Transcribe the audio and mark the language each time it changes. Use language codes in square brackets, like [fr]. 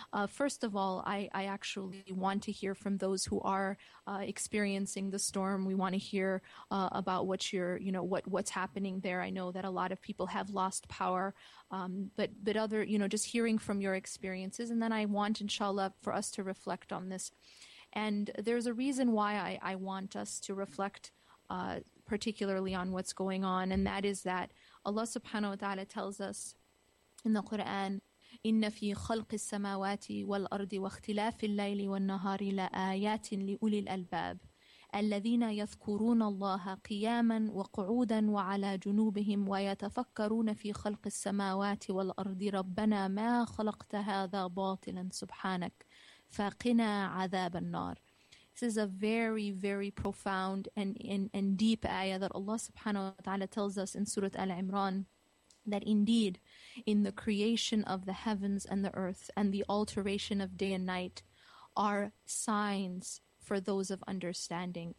[en] First of all, I actually want to hear from those who are experiencing the storm. We want to hear about what's happening there. I know that a lot of people have lost power, but other, just hearing from your experiences. And then I want, inshallah, for us to reflect on this. And there's a reason why I want us to reflect particularly on what's going on, and that is that Allah subhanahu wa ta'ala tells us [ar] in the Quran, إِنَّ فِي خَلْقِ السَّمَاوَاتِ وَالْأَرْضِ وَاخْتِلَافِ اللَّيْلِ وَالنَّهَارِ لَآيَاتٍ لِأُولِي الْأَلْبَابِ الَّذِينَ يَذْكُرُونَ اللَّهَ قِيَامًا وَقُعُودًا وَعَلَى جُنُوبِهِمْ وَيَتَفَكَّرُونَ فِي خَلْقِ السَّمَاوَاتِ وَالْأَرْضِ رَبَّنَا مَا خَلَقْتَ هَذَا بَاطِلًا سُبْحَانَكَ فَقِنَا عَذَابَ النَّارِ. [en] This is a very, very profound and deep ayah that Allah subhanahu wa ta'ala tells us in Surah Al-Imran, that indeed, in the creation of the heavens and the earth and the alteration of day and night are signs for those of understanding.